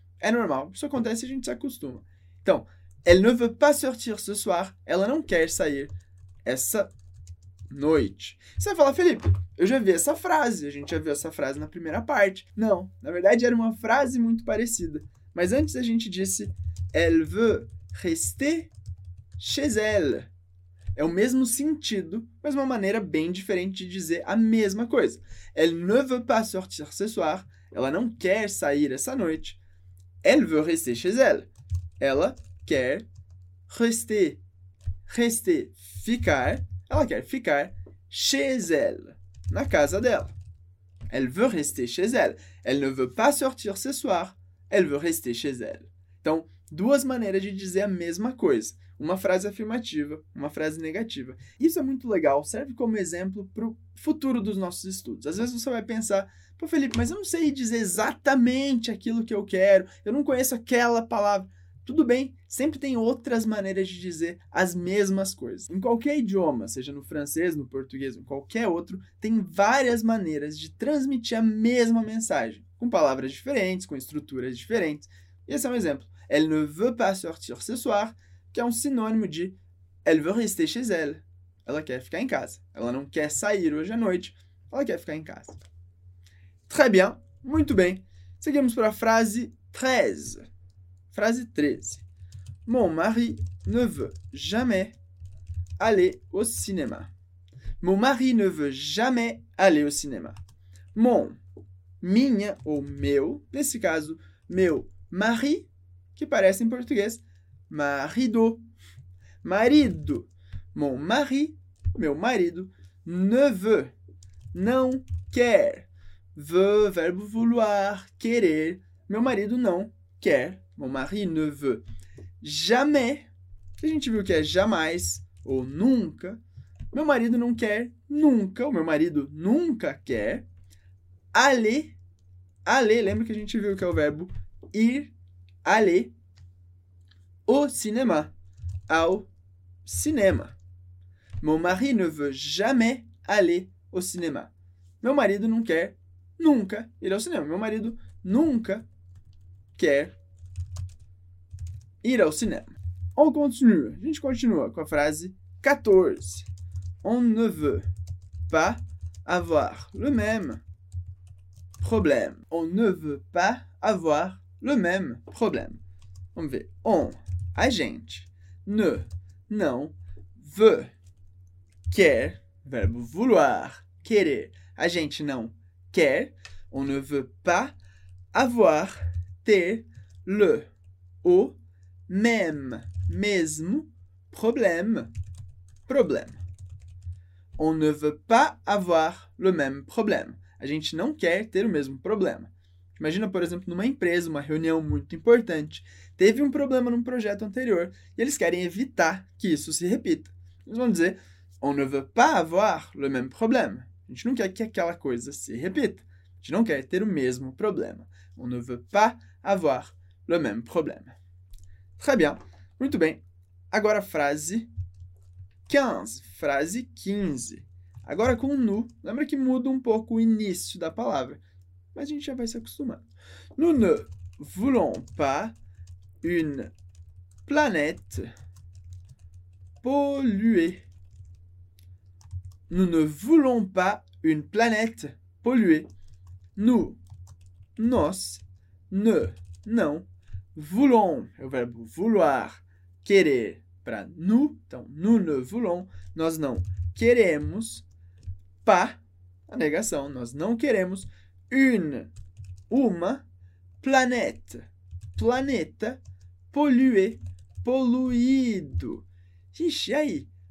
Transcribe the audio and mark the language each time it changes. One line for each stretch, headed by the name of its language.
Portuguese: É normal, isso acontece e a gente se acostuma. Então,
French: elle ne veut pas sortir ce soir,
Portuguese: ela não quer sair essa noite. Você vai falar, Felipe, eu já vi essa frase, a gente já viu essa frase na primeira parte. Não, na verdade era uma frase muito parecida. Mas antes a gente disse,
French: elle veut rester chez elle.
Portuguese: É o mesmo sentido, mas uma maneira bem diferente de dizer a mesma coisa.
French: Elle ne veut pas sortir ce soir,
Portuguese: ela não quer sair essa noite.
French: Elle veut rester chez elle,
Portuguese: ela quer
French: rester, rester, ficar.
Portuguese: Ela quer ficar
French: chez elle,
Portuguese: na casa dela.
French: Elle veut rester chez elle. Elle ne veut pas sortir ce soir. Elle veut rester chez elle.
Portuguese: Então, duas maneiras de dizer a mesma coisa. Uma frase afirmativa, uma frase negativa. Isso é muito legal, serve como exemplo para o futuro dos nossos estudos. Às vezes você vai pensar, pô, Felipe, mas eu não sei dizer exatamente aquilo que eu quero. Eu não conheço aquela palavra. Tudo bem, sempre tem outras maneiras de dizer as mesmas coisas. Em qualquer idioma, seja no francês, no português, em qualquer outro, tem várias maneiras de transmitir a mesma mensagem, com palavras diferentes, com estruturas diferentes. Esse é um exemplo.
French: Elle ne veut pas sortir ce soir,
Portuguese: que é um sinônimo de
French: elle veut rester chez elle.
Portuguese: Ela quer ficar em casa. Ela não quer sair hoje à noite. Ela quer ficar em casa.
French: Très bien,
Portuguese: muito bem. Seguimos para a frase 13. Frase 13.
French: Mon mari ne veut jamais aller au cinéma. Mon mari ne veut jamais aller au cinéma.
Portuguese: Mon, minha ou meu, nesse caso, meu mari, que parece em português, marido. Marido. Mon mari, meu marido, ne veut, não quer. Veut, verbo vouloir, querer. Meu marido não quer. Mon mari ne veut jamais, que a gente viu que é jamais ou nunca. Meu marido não quer nunca, o meu marido nunca quer. Aller, aller, lembra que a gente viu que é o verbo ir, aller au cinéma, ao cinema.
French: Mon mari ne veut jamais aller au cinéma.
Portuguese: Meu marido não quer nunca ir ao cinema. Meu marido nunca quer ir ao cinema.
French: On continue.
Portuguese: A gente continua com a frase 14.
French: On ne veut pas avoir le même problème. On ne veut pas avoir le même problème.
Portuguese: Vamos ver. On, a gente, ne, não, veut, quer, verbo vouloir, querer. A gente não quer.
French: On ne veut pas avoir, ter, le, ou, même, mesmo, problème, problème. On ne veut pas avoir le même problème.
Portuguese: A gente não quer ter o mesmo problema. Imagina, por exemplo, numa empresa, uma reunião muito importante. Teve um problema num projeto anterior e eles querem evitar que isso se repita. Eles vão dizer,
French: on ne veut pas avoir le même problème.
Portuguese: A gente não quer que aquela coisa se repita. A gente não quer ter o mesmo problema.
French: On ne veut pas avoir le même problème. Très bien.
Portuguese: Muito bem. Agora frase 15. Frase 15. Agora com nu. Lembra que muda um pouco o início da palavra. Mas a gente já vai se acostumando.
French: Nous ne voulons pas une planète polluée. Nous ne voulons pas une planète polluée.
Portuguese: Nous, nós, ne, não. Voulons, é o verbo vouloir, querer, para nous, então nous ne voulons, nós não queremos, pas, a negação, nós não queremos, uma planète, planeta, pollué, poluído. Gente, e aí?